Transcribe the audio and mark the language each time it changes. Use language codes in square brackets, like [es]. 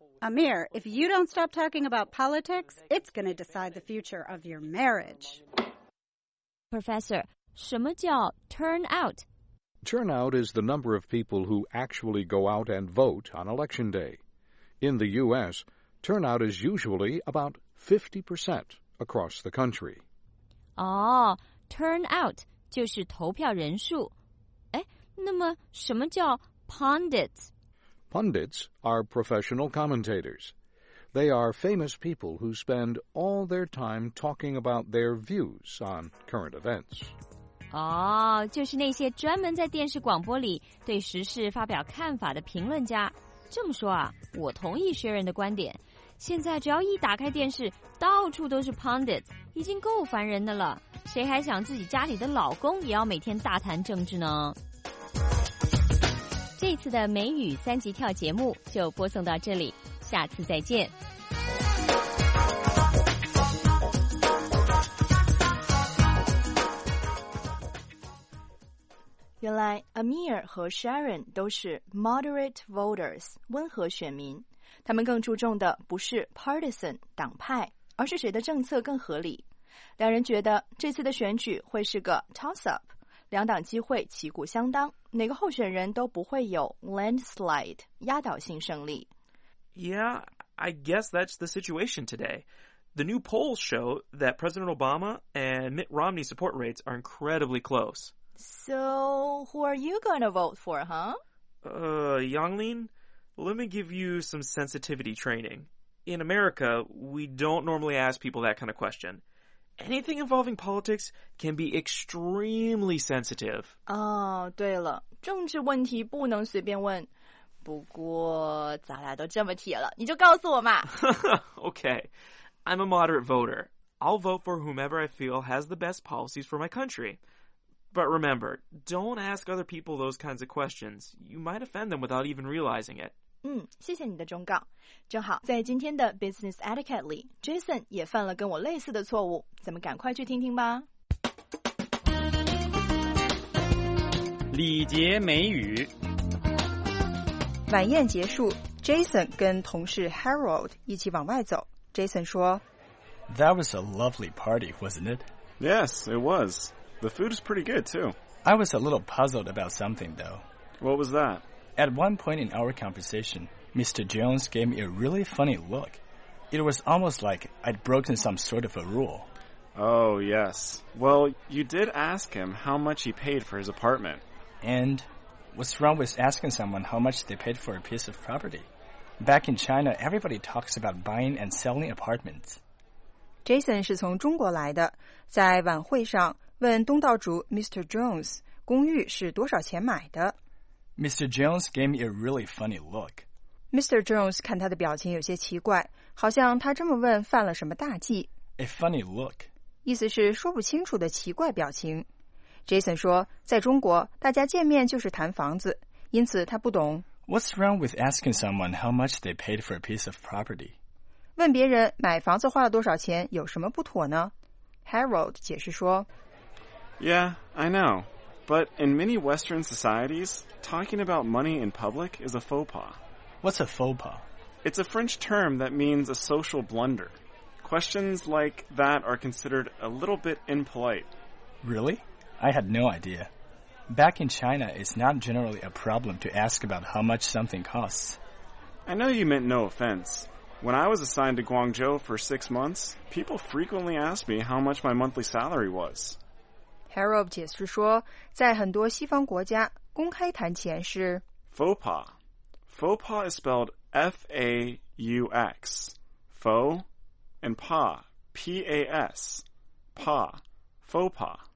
[en] Amir, if you don't stop talking about politics, it's going to decide the future of your marriage. [zh] Professor, 什么叫 turnout? [en] Turnout is the number of people who actually go out and vote on election day. In the U.S., turnout is usually about 50% across the country. [zh] Turnout 就是投票人数。哎，那么什么叫 pundits? [en] Pundits are professional commentators. They are famous people who spend all their time talking about their views on current events. [zh] 哦，就是那些专门在电视广播里对时事发表看法的评论家。这么说啊，我同意薛仁的观点。现在只要一打开电视，到处都是 pundits， 已经够烦人的了。谁还想自己家里的老公也要每天大谈政治呢？这次的美语三级跳节目就播送到这里，下次再见。原来 Amir 和 Sharon 都是 moderate voters 温和选民，他们更注重的不是 partisan 党派，而是谁的政策更合理。两人觉得这次的选举会是个 toss up。两党机会旗鼓相当，哪个候选人都不会有 landslide 压倒性胜利。 [en] Yeah, I guess that's the situation today. The new polls show that President Obama and Mitt Romney support rates are incredibly close. So, who are you going to vote for, huh? Yonglin, let me give you some sensitivity training. In America, we don't normally ask people that kind of question. Anything involving politics can be extremely sensitive. [zh] Oh, 对了，政治问题不能随便问。不过咱俩都这么铁了，你就告诉我嘛。 [en] Okay, I'm a moderate voter. I'll vote for whomever I feel has the best policies for my country. But remember, don't ask other people those kinds of questions. You might offend them without even realizing it. [zh] 嗯，谢谢你的忠告。正好在今天的 Business Etiquette 里 ，Jason 也犯了跟我类似的错误，咱们赶快去听听吧。礼节美语。晚宴结束 ，Jason 跟同事 Harold 一起往外走。 Jason 说 [en] ：“That was a lovely party, wasn't it? Yes, it was. The food is pretty good too. I was a little puzzled about something, though. What was that?” At one point in our conversation, Mr. Jones gave me a really funny look. It was almost like I'd broken some sort of a rule. Oh, yes. Well, you did ask him how much he paid for his apartment. And what's wrong with asking someone how much they paid for a piece of property? Back in China, everybody talks about buying and selling apartments. [zh] Jason 是从中国来的，在晚会上问东道主 Mr. Jones 公寓是多少钱买的。 [en] Mr. Jones gave me a really funny look. Mr. [zh] Jones 看他的表情有些奇怪，好像他这么问犯了什么大忌。 [en] A funny look. [zh] 意思是说不清楚的奇怪表情。Jason 说，在中国，大家见面就是谈房子，因此他不懂。 [en] What's wrong with asking someone how much they paid for a piece of property? [zh] 问别人买房子花了多少钱有什么不妥呢？ Harold 解释说 [en] ，Yeah, I know. But in many Western societies, talking about money in public is a faux pas. What's a faux pas? It's a French term that means a social blunder. Questions like that are considered a little bit impolite. Really? I had no idea. Back in China, it's not generally a problem to ask about how much something costs. I know you meant no offense. When I was assigned to Guangzhou for 6 months, people frequently asked me how much my monthly salary was. [zh] Harold 解释说，在很多西方国家，公开谈钱是 [en] faux pas. Faux pas is spelled F-A-U-X. Faux and pas, P-A-S. Pas, faux pas.